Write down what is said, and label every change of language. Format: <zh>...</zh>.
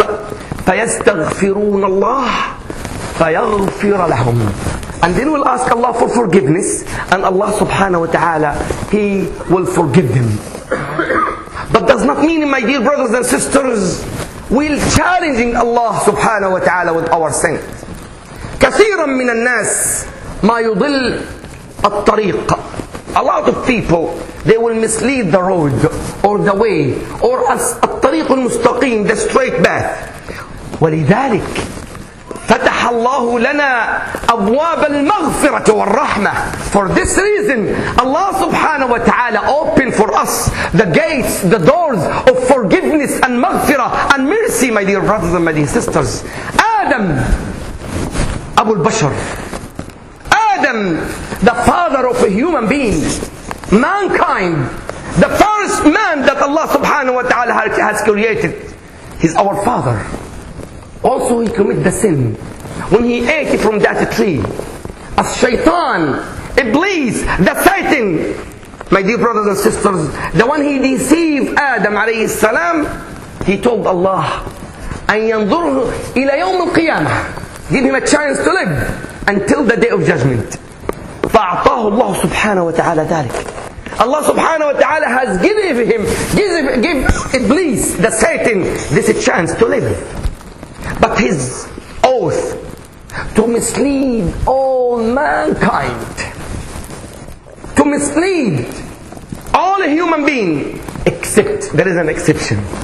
<ar>فَيَسْتَغْفِرُونَ اللَّهِ فَيَغْفِرَ لَهُمْ.</ar> <en>And then we'll ask Allah for forgiveness, and Allah subhanahu wa ta'ala, He will forgive them. But does not mean, my dear brothers and sisters, we'll challenging Allah subhanahu wa ta'ala with our sins.</en> <ar>كثيرا من الناس ما يضل الطريق.</ar> <en>A lot of people, they will mislead the road or the way or as</en> <ar>الطريق المستقيم,</ar> <en>the straight path.</en> <ar>ولذلك فتح الله لنا أبواب المغفرة والرحمة.</ar> <en>For this reason, Allah subhanahu wa ta'ala opened for us the gates, the doors of forgiveness and maghfirah and mercy, my dear brothers and my dear sisters. Adam, Abu al-Bashar, Adam, the father of a human being, mankind, the first man that Allah subhanahu wa ta'ala has created, he's our father. Also he committed the sin when he ate from that tree. As shaitan, Iblis, the Satan, my dear brothers and sisters, the one he deceived Adam alayhi salam, he told Allah,</en> <ar>أن ينظره إلى يوم القيامة.</ar> <en>Give him a chance to live until the day of judgment.</en> <ar>فأعطاه الله سبحانه وتعالى ذلك.</ar> <en>Allah subhanahu wa ta'ala has given him, give Iblis, the Satan, this chance to live. But his oath to mislead all mankind, to mislead all human beings, except there is an exception.</en>